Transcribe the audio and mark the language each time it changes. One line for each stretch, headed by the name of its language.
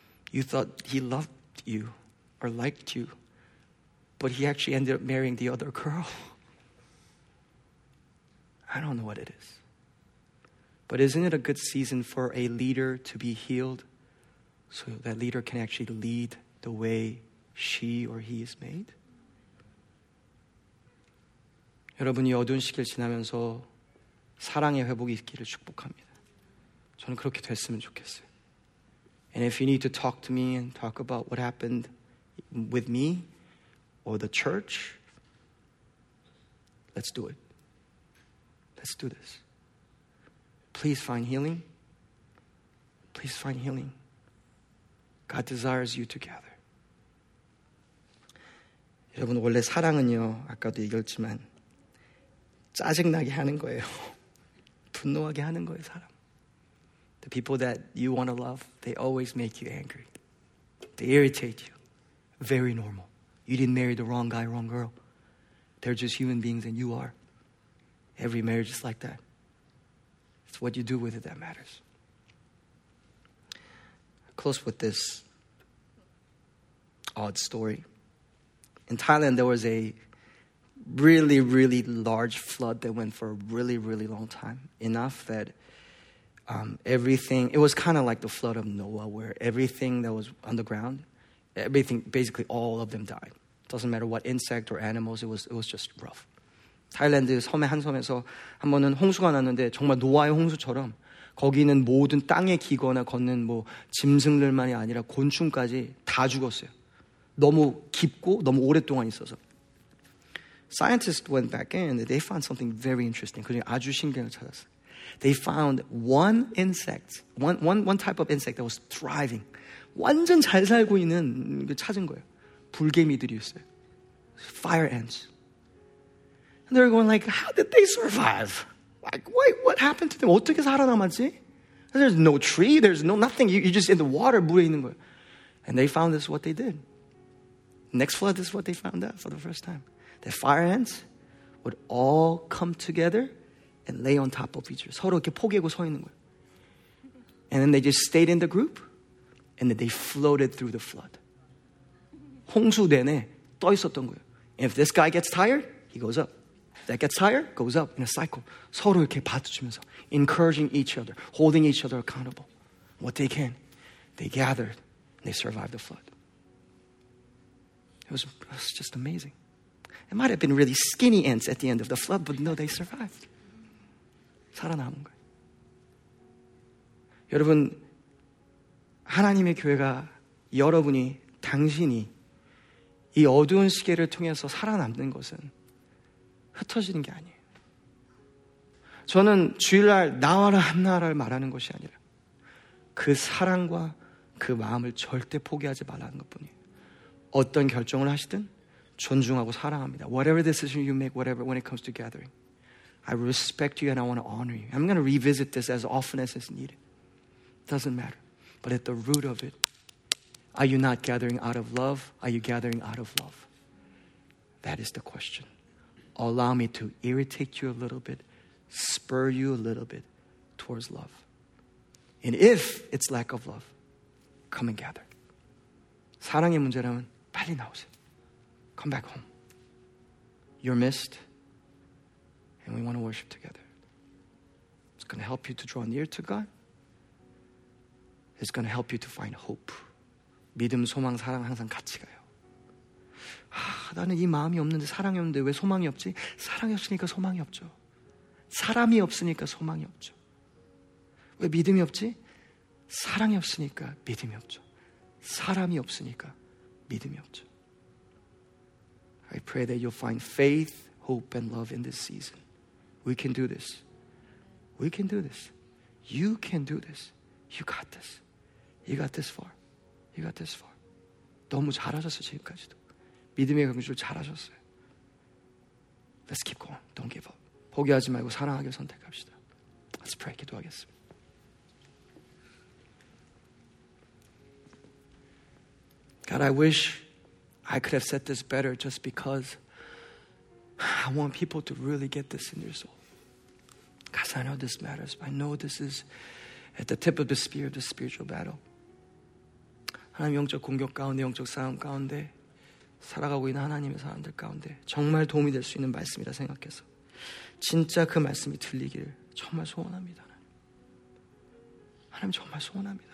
English: You thought he loved you or liked you, but he actually ended up marrying the other girl. I don't know what it is. But isn't it a good season for a leader to be healed so that leader can actually lead the way she or he is made?
Korean: 여러분이 어두운 시기를 지나면서 사랑의 회복이 있기를 축복합니다. 저는 그렇게 됐으면 좋겠어요.
English: And if you need to talk to me and talk about what happened with me or the church, let's do it. Let's do this. Please find healing. Please find healing. God desires you to gather.
Korean: 여러분, 원래 사랑은요, 아까도 얘기했지만 짜증나게 하는 거예요. 분노하게 하는 거예요, 사람.
English: The people that you want to love, they always make you angry. They irritate you. Very normal. You didn't marry the wrong guy, wrong girl. They're just human beings and you are. Every marriage is like that. It's what you do with it that matters. Close with this odd story. In Thailand, there was a really, really large flood that went for a really, really long time. Enough that everything, it was kind of like the flood of Noah, where everything that was on the ground, everything, basically all of them died. Doesn't matter what insect or animals, it was just rough.
Korean: 타일랜드 섬의 한 섬에서 한 번은 홍수가 났는데 정말 노아의 홍수처럼 거기는 모든 땅에 기거나 걷는 뭐 짐승들만이 아니라 곤충까지 다 죽었어요. 너무 깊고 너무 오랫동안 있어서.
English: Scientists went back in and they found something very interesting.
Korean: 그 중에 아주 신기한 걸 찾았어요.
English: They found one insect, one type of insect that was thriving.
Korean: 완전 잘 살고 있는 걸 찾은 거예요. 불개미들이었어요.
English: Fire ants. And they were going like, how did they survive? Like, wait, what happened to them?
Korean: 어떻게 살아남았지?
English: There's no tree, there's no nothing. You're just in the water,
Korean: 물에 있는 거예요.
English: And they found this is what they did. Next flood, this is what they found out for the first time. The fire ants would all come together and lay on top of each other.
Korean: 서로 이렇게 포개고 서 있는 거예요.
English: And then they just stayed in the group and then they floated through the flood.
Korean: 홍수 내내 떠 있었던 거예요.
English: And if this guy gets tired, he goes up. That gets tired, goes up in a cycle.
Korean: 서로 이렇게 받쳐주면서
English: encouraging each other, holding each other accountable. What they can, they gathered and they survived the flood. It was just amazing. It might have been really skinny ants at the end of the flood, but no, they survived.
Korean: 살아남은 거예요. 여러분, 하나님의 교회가 여러분이, 당신이 이 어두운 시계를 통해서 살아남는 것은 흩어지는 게 아니에요. 저는 주일날 나와라 한나라를 말하는 것이 아니라 그 사랑과 그 마음을 절대 포기하지 말라는 것뿐이에요. 어떤 결정을 하시든 존중하고 사랑합니다.
English: Whatever decision you make, whatever when it comes to gathering, I respect you and I want to honor you. I'm going to revisit this as often as is needed. Doesn't matter. But at the root of it, are you not gathering out of love? Are you gathering out of love? That is the question. Allow me to irritate you a little bit, spur you a little bit towards love. And if it's lack of love, come and gather.
Korean: 사랑의 문제라면 빨리 나오세요.
English: Come back home. You're missed. And we want to worship together. It's going to help you to draw near to God. It's going to help you to find hope.
Korean: 믿음, 소망, 사랑 항상 같이 가요. 아, 나는 이 마음이 없는데 사랑이 없는데 왜 소망이 없지? 사랑이 없으니까 소망이 없죠. 사람이 없으니까 소망이 없죠. 왜 믿음이 없지? 사랑이 없으니까 믿음이 없죠. 사람이 없으니까 믿음이 없죠.
English: I pray that you'll find faith, hope, and love in this season. We can do this. We can do this. You can do this. You got this. You got this far. You got this far.
Korean: 너무 잘하셨어, 지금까지도. 믿음의 강조를 잘하셨어요.
English: Let's keep going. Don't give up.
Korean: 포기하지 말고 사랑하게 선택합시다.
English: Let's pray.
Korean: 기도하겠습니다.
English: God, I wish I could have said this better just because I want people to really get this in their soul. God, I know this matters. I know this is at the tip of the spear of the spiritual battle.
Korean: 하나님 영적 공격 가운데, 영적 싸움 가운데 살아가고 있는 하나님의 사람들 가운데 정말 도움이 될 수 있는 말씀이라 생각해서 진짜 그 말씀이 들리기를 정말 소원합니다. 하나님 정말 소원합니다.